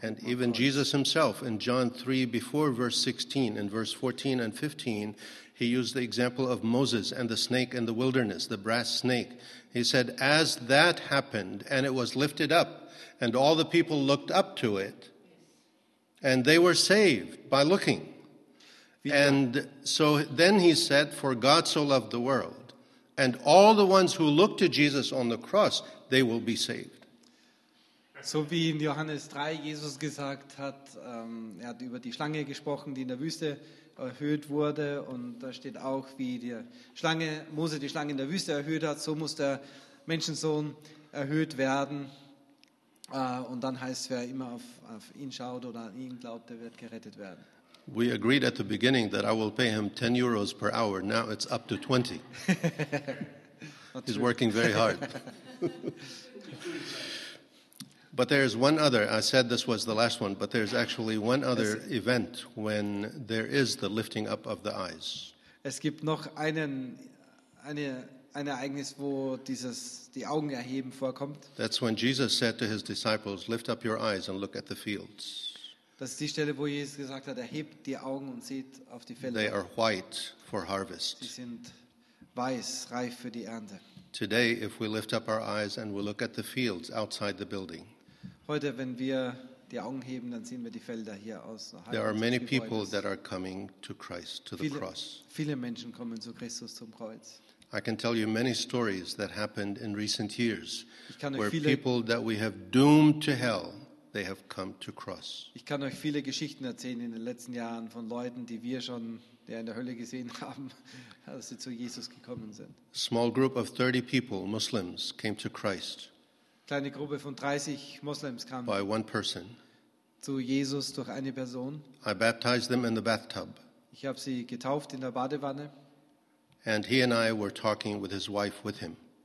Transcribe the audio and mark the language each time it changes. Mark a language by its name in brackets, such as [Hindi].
[English] And even Jesus himself in John 3 before verse 16 and verse 14 and 15, he used the example of Moses and the snake in the wilderness, the brass snake. He said, as that happened and it was lifted up and all the people looked up to it and they were saved by looking. And so then he said, for God so loved the world, and all the ones who look to Jesus on the cross, they will be saved. [German] So wie in Johannes 3 Jesus gesagt hat, er hat über die Schlange gesprochen, die in der Wüste erhöht wurde, und da steht auch, wie die Schlange, Mose die Schlange in der Wüste erhöht hat, so muss der Menschensohn erhöht werden. Und dann heißt, wer immer auf ihn schaut oder an ihn glaubt, der wird gerettet werden. [English] We agreed at the beginning that I will pay him 10 euros per hour. Now it's up to 20. He's working very hard. But there is one other. I said this was the last one, but there's actually one other event when there is the lifting up of the eyes. [German] Es gibt noch ein Ereignis, wo dieses die Augen erheben vorkommt. [English] That's when Jesus said to his disciples, lift up your eyes and look at the fields. [German] Das ist die Stelle, wo Jesus gesagt hat, erhebt die Augen und seht auf die Felder. [English] They are white for harvest. [German] Sie sind weiß, reif für die Ernte. [English] Today, if we lift up our eyes and we look at the fields outside the building. [German] Heute, wenn wir die Augen heben, dann sehen wir die Felder hier außerhalb. [English] There are many people that are coming to Christ, to the cross. [German] Viele Menschen kommen zu Christus, zum Kreuz. [English] I can tell you many stories that happened in recent years where people that we have doomed to hell, they have come to cross. [German] Ich kann euch viele Geschichten erzählen in den letzten Jahren von Leuten, die wir schon in der Hölle gesehen haben, als sie zu Jesus gekommen sind. [English] Small group of 30 people, Muslims, came to Christ. [German] Kleine Gruppe von 30 Muslims kam [English] by one person. [German] Zu Jesus durch eine Person. [English] I baptized them in the bathtub. [German] Ich habe sie getauft in der Badewanne. [English] And he and I were talking with his wife with him.